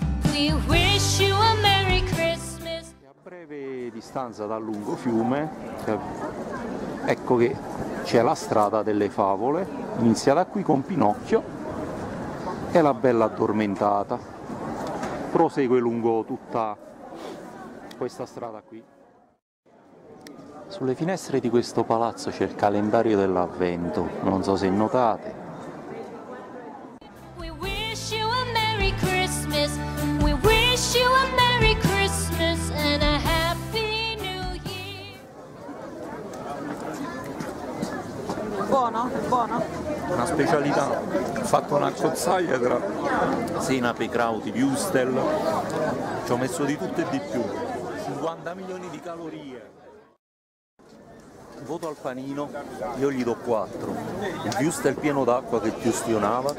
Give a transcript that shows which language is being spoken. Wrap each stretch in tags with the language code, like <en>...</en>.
<en>We wish you a Merry Christmas.</en> <it>E a breve distanza dal lungo fiume, ecco che c'è la strada delle favole, inizia da qui con Pinocchio e la Bella Addormentata. Prosegue lungo tutta questa strada qui. Sulle finestre di questo palazzo c'è il calendario dell'Avvento, non so se notate.</it> <en>We wish you a Merry Christmas. We wish you a Merry Christmas and a Happy New Year.</en> <it>Buono, buono. Una specialità, fatto una cozzaglia tra senape, crauti, wurstel, ci ho messo di tutto e di più, 50 milioni di calorie. Voto al panino, io gli do 4, il wurstel pieno d'acqua che ti ustionava.</it>